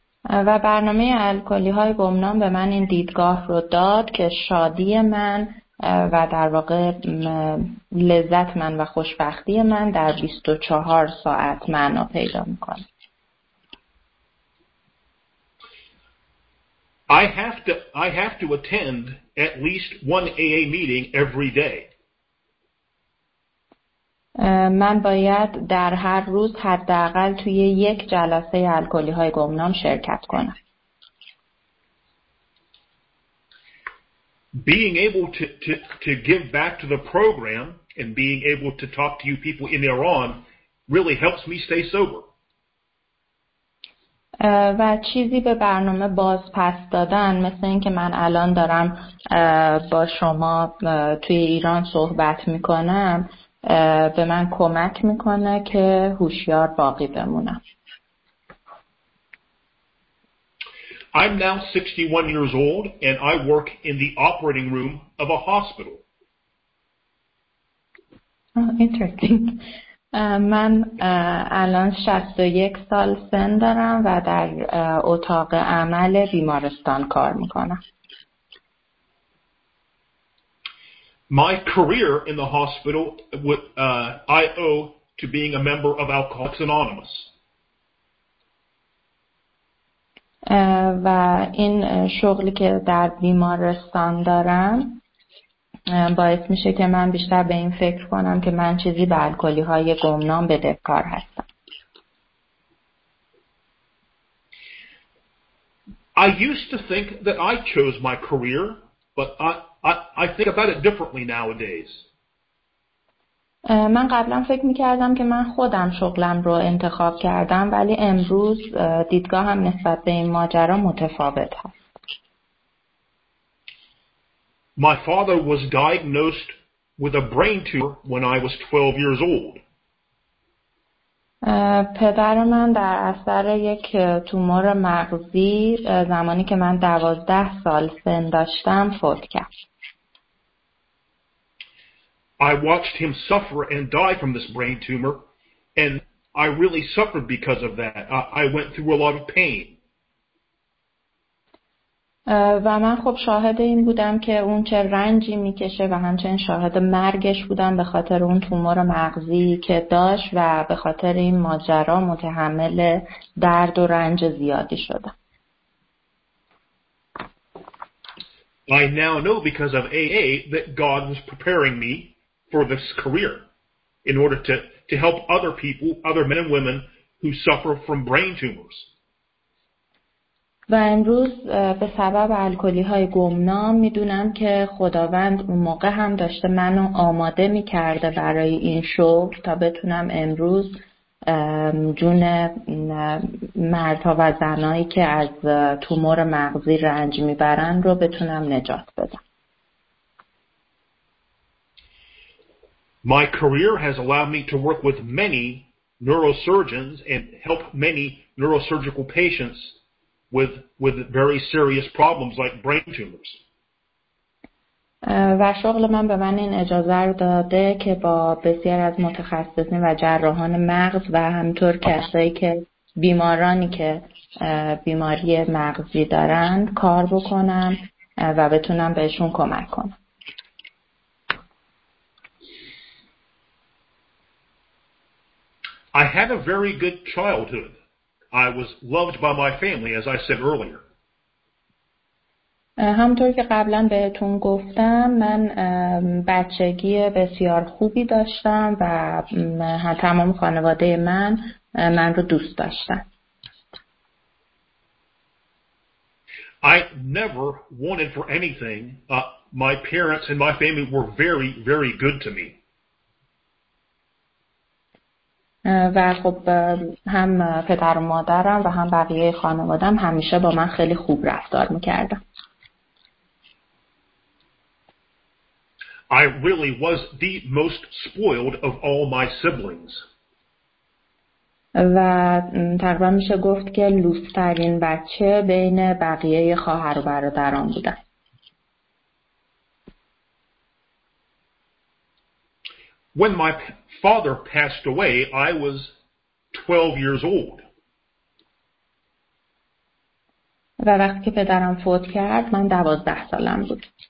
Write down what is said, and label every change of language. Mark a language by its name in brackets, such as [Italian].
[Persian] و برنامه الکلی‌های گمنام به من این دیدگاه رو داد که شادی من و در واقع لذت من و خوشبختی من در 24 ساعت معنا پیدا می‌کنه. [English] I have to attend at least one AA meeting every day. [Persian] من باید در هر روز حداقل توی یک جلسه الکلی‌های گمنام شرکت کنم. [English] Being able to give back to the program and being able to talk to you people in Iran really helps me stay sober. [Persian] و چیزی به برنامه باز پس دادن، مثل اینکه من الان دارم با شما توی ایران صحبت میکنم، به من کمک میکنه که هوشیار باقی بمونم. [English] I'm now 61 years old and I work in the operating room of a hospital. Oh, interesting. [Persian] من الان 61 سال سن دارم و در اتاق عمل بیمارستان کار میکنم. [English] My career in the hospital I owe to being a member of Alcoholics Anonymous. [Persian] و این شغلی که در بیمارستان دارم باعث میشه که من بیشتر به این فکر کنم که من چیزی به الکلی‌های گمنام بدهکار هستم. [English] I used to think that I chose my career, but I think about it differently nowadays. [Persian] من قبلا فکر میکردم که من خودم شغلم رو انتخاب کردم، ولی امروز دیدگاهم نسبت به این ماجرا متفاوت هست. [English] My father was diagnosed with a brain tumor when I was 12 years old. [Persian] پدر من در اثر یک تومور مغزی زمانی که من 12 سال سن داشتم فوت کرد. [English] I watched him suffer and die from this brain tumor, and I really suffered because of that. I went through a lot of pain. [Persian] و من خب شاهد این بودم که اون چه رنجی میکشه و همچنین شاهد مرگش بودم به خاطر اون تومور مغزی که داشت و به خاطر این ماجرا متحمل درد و رنج زیادی شدم. [English] I now know because of AA that God was preparing me for this career in order to help other people, other men and women who suffer from brain tumors. [Persian] و امروز به سبب الکلی‌های گمنام میدونم که خداوند اون موقع هم داشته منو آماده می‌کرده برای این شغل تا بتونم امروز جون مردها و زنایی که از تومور مغزی رنج می‌برن رو بتونم نجات بدم. [English] My career has allowed me to work with many neurosurgeons and help many neurosurgical patients with very serious problems like brain tumors. [Persian] و شغل من به من این اجازه رو داده که با بسیار از متخصصین و جراحان مغز و همطور کسایی که بیمارانی که بیماری مغزی دارند کار بکنم و بتونم بهشون کمک کنم. [English] I had a very good childhood. I was loved by my family, as I said earlier. [Persian] همطور که قبلا بهتون گفتم من بچگی بسیار خوبی داشتم و تمام خانواده من رو دوست داشتن. [English] I never wanted for anything. My parents and my family were very, very good to me. [Persian] و خب هم پدر و مادرم و هم بقیه خانوادم همیشه با من خیلی خوب رفتار میکردم. [English] I really was the most spoiled of all my siblings. [Persian] و تقریبا میشه گفت که لوس‌ترین بچه بین بقیه خواهر و برادران بودم. [English] When my father passed away, I was 12 years old. [Persian] و وقتی که پدرم فوت کرد من 12 سالم بود.